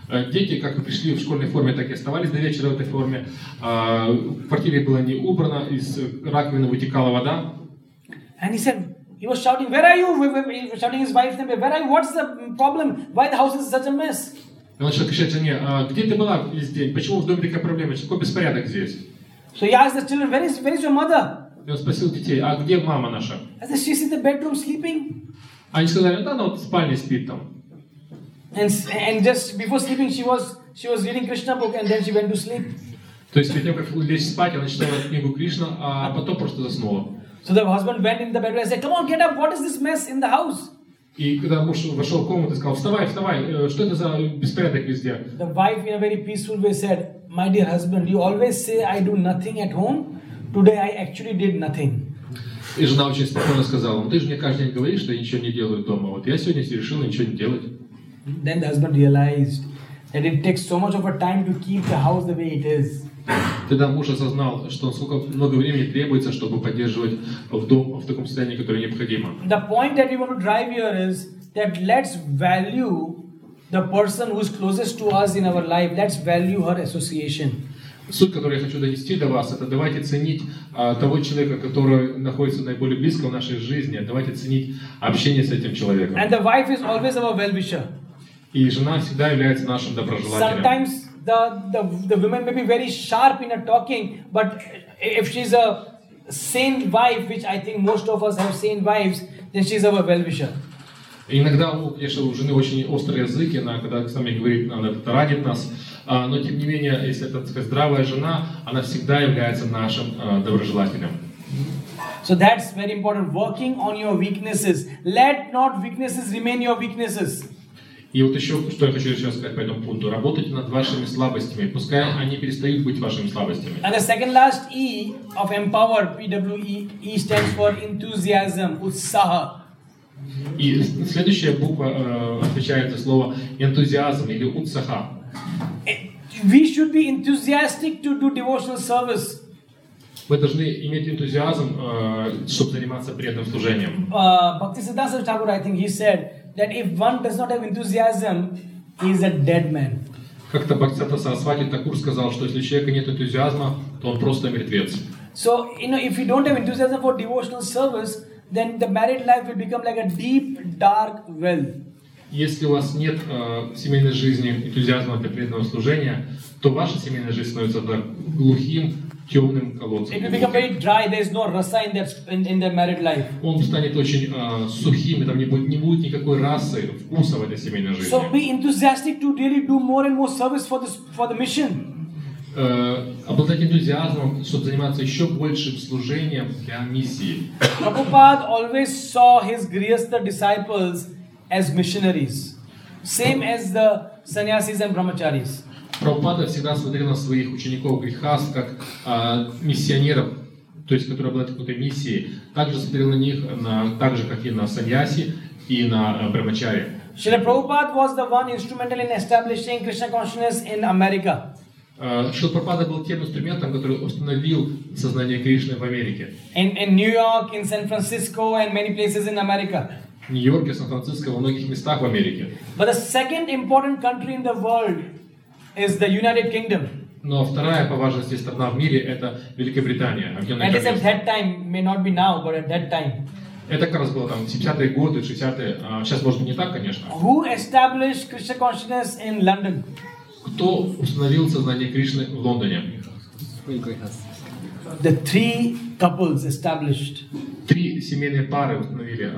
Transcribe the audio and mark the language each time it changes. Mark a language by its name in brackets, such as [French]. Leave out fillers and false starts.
[Russian] Дети как и пришли в школьной форме, так и оставались до вечера в этой форме. В квартире было не убрано, из раковины вытекала вода. [English] And he said, he was shouting, "Where are you?" He was shouting his wife's name. Where are you? What's the problem? Why the house is such a mess? [Russian] И он начал кричать жене, где ты была весь день? Почему в доме такая проблема? Какой беспорядок здесь? [English] So he asked the children, where is your mother? [Russian] И он спросил детей, а где мама наша? [English] I said, she's in the bedroom sleeping. [Russian] Они сказали, да, она вот в спальне спит там. [English] And just before sleeping, she was reading Krishna book, and then she went to sleep. [Russian] То есть перед тем, как лечь спать, она читала книгу Кришна, а потом просто заснула. [English] So the husband went in the bedroom and said, come on, get up, what is this mess in the house? [Russian] И когда муж вошел в комнату, сказал, вставай, что это за беспорядок везде? [English] The wife in a very peaceful way said, my dear husband, you always say I do nothing at home, today I actually did nothing. [Russian] И жена очень спокойно сказала, ты же мне каждый день говоришь, что я ничего не делаю дома, вот я сегодня решил ничего не делать. [English] Then the husband realized that it takes so much of a time to keep the house the way it is. [Russian] Тогда муж осознал, что сколько много времени требуется, чтобы поддерживать в дом в таком состоянии, которое необходимо. [English] The point that we want to drive here is that let's value the person who is closest to us in our life. Let's value her association. [Russian] Суть, которую я хочу донести до вас, это давайте ценить того человека, который находится наиболее близко в нашей жизни. Давайте ценить общение с этим человеком. [English] And the wife is always our well-wisher. [Russian] И жена всегда является нашим доброжелателем. [English] Sometimes the women may be very sharp in a talking, but if she's a sane wife, which I think most of us have sane wives, then she's our well-wisher. [Russian] Иногда, конечно, у жены очень острый язык, она когда с нами говорит, она ранит нас. Но тем не менее, если это такая здравая жена, она всегда является нашим доброжелателем. [English] So that's very important. Working on your weaknesses. Let not weaknesses remain your weaknesses. [Russian] И вот еще, что я хочу еще сказать по этому пункту. Работайте над вашими слабостями, пускай они перестают быть вашими слабостями. [English] And the second last E of empower, P-W-E, E stands for enthusiasm, utsaha. [Russian] И следующая буква отвечает за слово энтузиазм или утсаха. [English] We should be enthusiastic to do devotional service. [Russian] Мы должны иметь энтузиазм, чтобы заниматься преданным служением. [English] Бхактисиддханта Сахагура, I think he said, that if one does not have enthusiasm, he is a dead man. [Russian] Как-то Бхактисиддханта Сарасвати Такур сказал, что если у человека нет энтузиазма, то он просто мертвец. [English] So, if you don't have enthusiasm for devotional service, then the married life will become like a deep, dark well. [Russian] Если у вас нет в семейной жизни энтузиазма для преданного служения, то ваша семейная жизнь становится глухим, темным колодцем. [English] It will become very dry. There is no rasa in their married life. [Russian] Он станет очень сухим, и там не будет никакой расы, вкуса в этой семейной жизни. [English] So be enthusiastic to really do more and more service for the mission. [Russian] Обладать энтузиазмом, чтобы заниматься еще большим служением для миссии. [English] Prabhupada always saw his grihastha disciples as missionaries, same as the sannyasis and brahmacharis. [Russian] Прабхупада всегда смотрел на своих учеников грихас как миссионеров, то есть которые обладают какой-то миссией, также смотрел на них так же, как и на саньяси и на брахмачари. [English] Шрила Прабхупада was the one instrumental in establishing Krishna consciousness in America. [Russian] Шрила Прабхупада был тем инструментом, который установил сознание Кришны в Америке. [English] In New York, in San Francisco, and many places in America. [Russian] В Нью-Йорке, Сан-Франциско, во многих местах в Америке. [English] But the second important country in the world is the United Kingdom. [Russian] Но вторая по важности страна в мире это Великобритания. [English] And it's at that time, may not be now, but at that time. [Russian] Это как раз было там 70-е годы, 60-е. Сейчас может быть не так, конечно. [English] Who established Krishna consciousness in London? [Russian] Кто установил сознание Кришны в Лондоне? [English] The three couples established. [Russian] Три семейные пары установили.